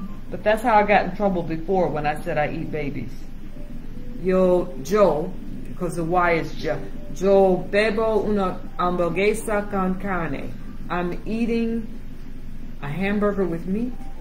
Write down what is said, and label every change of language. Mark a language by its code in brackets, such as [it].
[en] But that's how I got in trouble before when I said I eat babies. Yo, Joe, because the Y is Joe. [es] Yo bebo una hamburguesa con carne. [en] I'm eating a hamburger with meat.